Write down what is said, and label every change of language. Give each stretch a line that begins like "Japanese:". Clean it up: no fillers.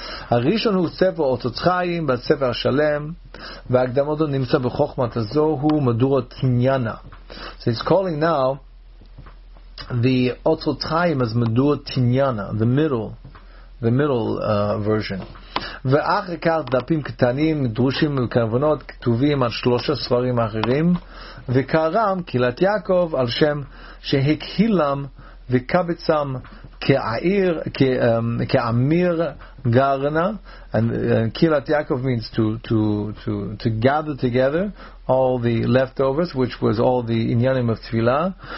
Hebrew: הראשון הוא ספר אותות חיים, והספר השלם, והקדמותו נמצא בחוכמת הזו, הוא מדורת תניאנה.
English: So he's calling now the אותות חיים as מדורת תניאנה, the middle version.
Hebrew: ואחר כך דפים קטנים דרושים מכוונות כתובים על שלושה ספרים אחרים, וקראם קהילת יעקב על שם שהקהילם וקבצם כעיר, כעמיר גרנה.
English: And קהילת יעקב means to gather together all the leftovers, which was all the עניינים of תפילה.